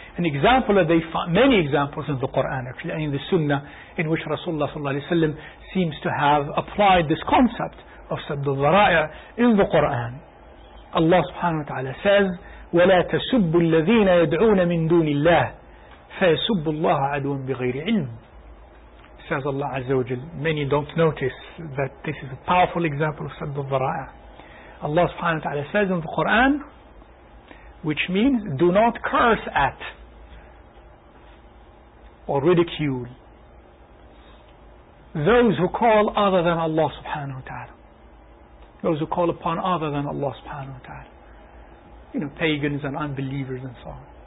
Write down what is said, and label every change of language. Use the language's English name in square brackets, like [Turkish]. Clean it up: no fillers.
[English] An example that they find many examples in the Quran, actually, in the Sunnah, in which Rasulullah sallallahu alaihi wasallam seems to have applied this concept of sadd al-dhari'ah in the Quran. Allah subhanahu wa ta'ala says, [Arabic] ولا تسبوا الذين يدعون من دون الله فيسبوا الله عدوا بغير علم. [English] Says Allah Azza wa Jal, many don't notice that this is a powerful example of Sadd al-Dhara'a. Allah subhanahu wa ta'ala says in the Quran, which means do not curse at or ridicule those who call other than Allah subhanahu wa ta'ala, those who call upon other than Allah subhanahu wa ta'ala, you know, pagans and unbelievers and so on.